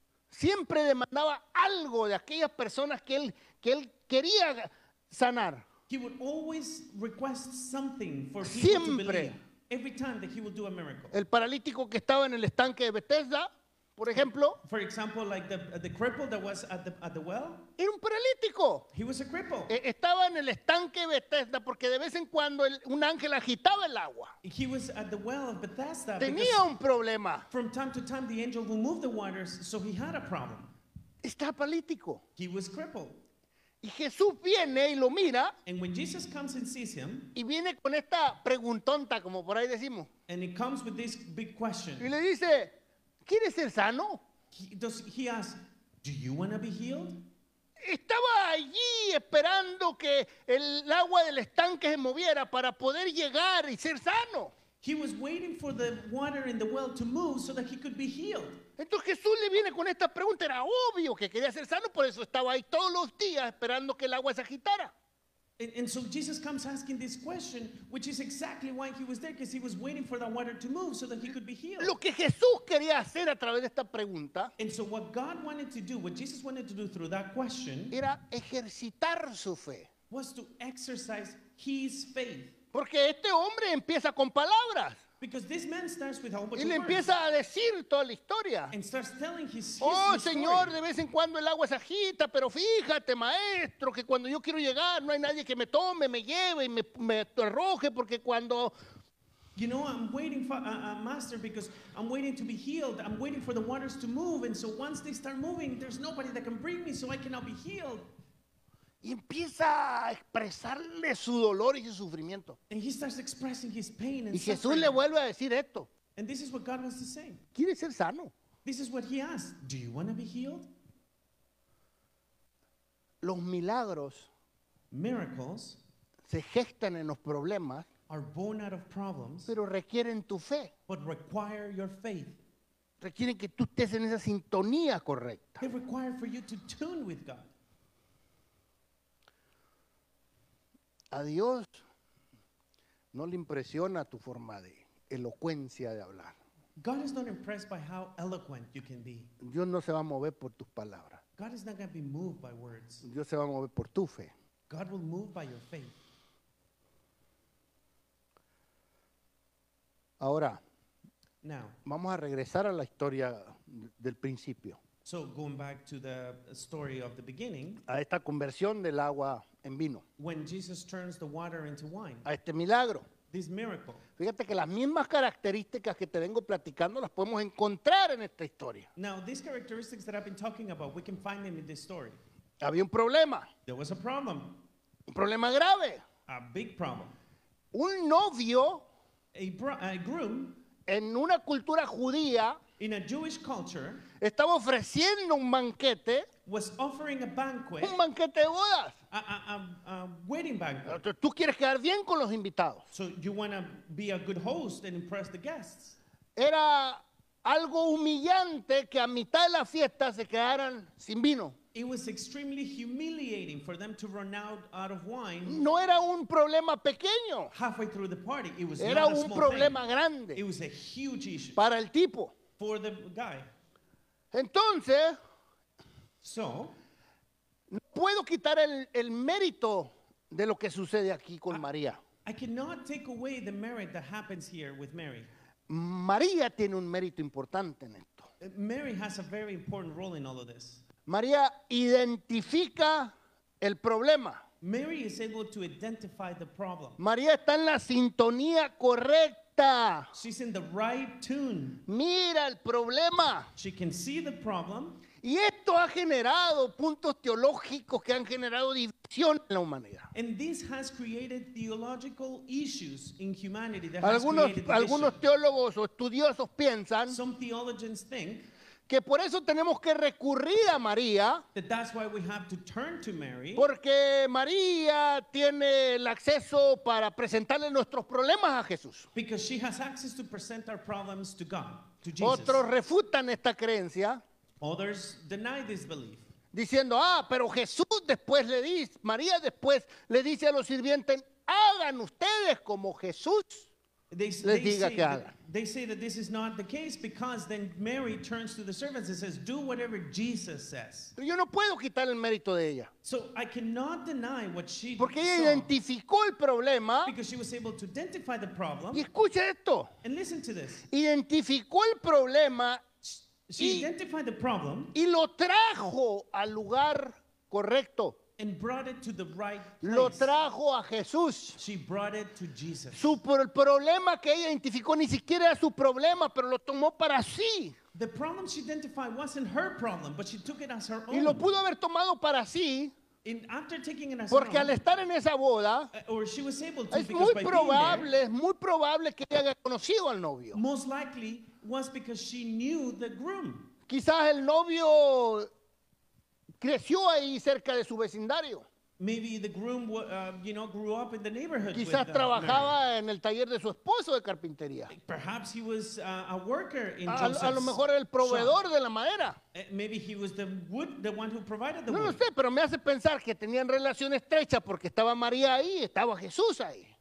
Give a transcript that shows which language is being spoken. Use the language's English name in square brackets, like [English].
[Spanish] Siempre demandaba algo de aquellas personas que él quería sanar. [English] He would always request something for people [Spanish] Siempre. [English] To believe every time that he would do a miracle. [Spanish] El paralítico que estaba en el estanque de Bethesda, por ejemplo. [English] For example, like the cripple that was at the well. [Spanish] Era un paralítico. [English] He was a cripple. [Spanish] Estaba en el estanque de Bethesda porque de vez en cuando un ángel agitaba el agua. [English] He was at the well of Bethesda. [Spanish] Tenía un problema. [English] From time to time, the angel would move the waters, so he had a problem. [Spanish] Estaba paralítico. [English] He was crippled. [Spanish] Y Jesús viene y lo mira. [English] And when Jesus comes and sees him, [Spanish] y viene con esta preguntonta, como por ahí decimos. [English] And he comes with this big question. [Spanish] Y le dice, ¿quieres ser sano? [English] He asks, do you want to be healed? [Spanish] Estaba allí esperando que el agua del estanque se moviera para poder llegar y ser sano. [English] He was waiting for the water in the well to move so that he could be healed. [Spanish] Entonces Jesús le viene con esta pregunta. Era obvio que quería ser sano, por eso estaba ahí todos los días esperando que el agua se agitara. [English] And so Jesus comes asking this question, which is exactly why he was there, because he was waiting for the water to move so that he could be healed. [Spanish] Lo que Jesús quería hacer a través de esta pregunta. [English] And so what God wanted to do, what Jesus wanted to do through that question, [Spanish] era ejercitar su fe. [English] Was to exercise his faith. [Spanish] Porque este hombre empieza con palabras. [English] Because this man starts with a whole bunch [Spanish] y le empieza [English] words. [Spanish] A decir toda la historia. [English] And starts telling his [Spanish] Señor, [English] story. [Spanish] De vez en cuando el agua se agita, pero fíjate, maestro, que cuando yo quiero llegar no hay nadie que me tome, me lleve y me arroje, porque cuando... [English] You know, I'm waiting for a master because I'm waiting to be healed. I'm waiting for the waters to move. And so once they start moving, there's nobody that can bring me so I cannot be healed. [Spanish] Y empieza a expresarle su dolor y su sufrimiento. [English] And he starts expressing his pain and [Spanish] y Jesús [English] suffering. [Spanish] Le vuelve a decir esto. [English] And this is what God wants to say. [Spanish] ¿Quieres ser sano? [English] This is what he asks. Do you want to be healed? [Spanish] Los milagros. [English] Miracles. [Spanish] Se gestan en los problemas. [English] Are born out of problems. [Spanish] Pero requieren tu fe. [English] But require your faith. [Spanish] Requieren que tú estés en esa sintonía correcta. [English] They require for you to tune with God. [Spanish] A Dios No le impresiona tu forma de elocuencia de hablar. [English] God is not impressed by how eloquent you can be. [Spanish] Dios no se va a mover por tus palabras. [English] God is not going to be moved by words. [Spanish] Dios se va a mover por tu fe. [English] God will move by your faith. [Spanish] Ahora, [English] now, [Spanish] vamos a regresar a la historia del principio. [English] So going back to the story of the beginning. [Spanish] A esta conversión del agua en vino. [English] When Jesus turns the water into wine. [Spanish] A este milagro. [English] This miracle. [Spanish] Fíjate que las mismas características que te vengo platicando las podemos encontrar en esta historia. [English] Now, these characteristics that I've been talking about, we can find them in this story. [Spanish] Había un problema. [English] There was a problem. [Spanish] Un problema grave. [English] A big problem. [Spanish] Un novio. [English] A groom. [Spanish] En una cultura judía. [English] In a Jewish culture. [Spanish] Estaba ofreciendo un banquete. [English] Was offering a banquet. [Spanish] Un banquete de bodas. [English] A wedding banquet. [Spanish] Tú quieres quedar bien con los invitados. [English] So you want to be a good host and impress the guests. [Spanish] Era algo humillante que a mitad de la fiesta se quedaran sin vino. [English] It was extremely humiliating for them to run out of wine. [Spanish] No era un problema pequeño. [English] Halfway through the party, it was [Spanish] era [English] not a [Spanish] un problema grande. [English] It was a huge issue. [Spanish] Para el tipo. [English] For the guy. [Spanish] Entonces, [English] so, [Spanish] no puedo quitar el mérito de lo que sucede aquí con María. [English] I cannot take away the merit that happens here with Mary. [Spanish] María tiene un mérito importante en esto. [English] Mary has a very important role in all of this. [Spanish] María identifica el problema. [English] Mary is able to identify the problem. [Spanish] María está en la sintonía correcta. [English] She's in the right tune. [Spanish] Mira el problema. [English] She can see the problem. [Spanish] Y esto ha generado puntos teológicos que han generado división en la humanidad. [English] And this has created theological issues in humanity. That [Spanish] algunos [English] has created [Spanish] algunos [English] the [Spanish] teólogos o estudiosos piensan. [English] Some theologians think. [Spanish] Que por eso tenemos que recurrir a María. [English] That's why we have to turn to Mary. [Spanish] Porque María tiene el acceso para presentarle nuestros problemas a Jesús. [English] Because she has access to present our problems to God, to [Spanish] Jesus. Otros refutan esta creencia. [English] Others deny this belief. [Spanish] Diciendo, pero Jesús después le dice, María después le dice a los sirvientes, hagan ustedes como Jesús. [English] They say that this is not the case because then Mary turns to the servants and says, do whatever Jesus says. [Spanish] Pero yo no puedo quitar el mérito de ella. [English] So I cannot deny what she did. [Spanish] Porque ella identificó el problema. [English] Because she was able to identify the problem. [Spanish] Y escucha esto. [English] And listen to this. [Spanish] Identificó el problema. [English] She identified the problem. [Spanish] Y lo trajo al lugar correcto. [English] And brought it to the right place. [Spanish] Lo trajo a Jesús. [English] She brought it to Jesus. [Spanish] Su problema que ella identificó ni siquiera era su problema, pero lo tomó para sí. [English] The problem she identified wasn't her problem, but she took it as her own. [Spanish] Y lo pudo haber tomado para sí. [English] And after taking it as [Spanish] porque [English] her own, [Spanish] al estar en esa boda, [English] or she was able to, [Spanish] es muy probable, es muy probable que ella haya conocido al novio. [English] Most likely was because she knew the groom. [Spanish] Quizás el novio creció ahí cerca de su vecindario. [English] Maybe the groom, grew up in the neighborhood. [Spanish] Quizás [English] with, [Spanish] trabajaba en el taller de su esposo de carpintería. [English] Perhaps he was a worker in [Spanish] a lo mejor el proveedor [English] shop. [Spanish] De la madera. [English] Maybe he was the wood, the one who provided the [Spanish] no [English] wood. [Spanish] No lo sé, pero me hace pensar que tenían relación estrecha porque estaba María ahí, estaba Jesús ahí.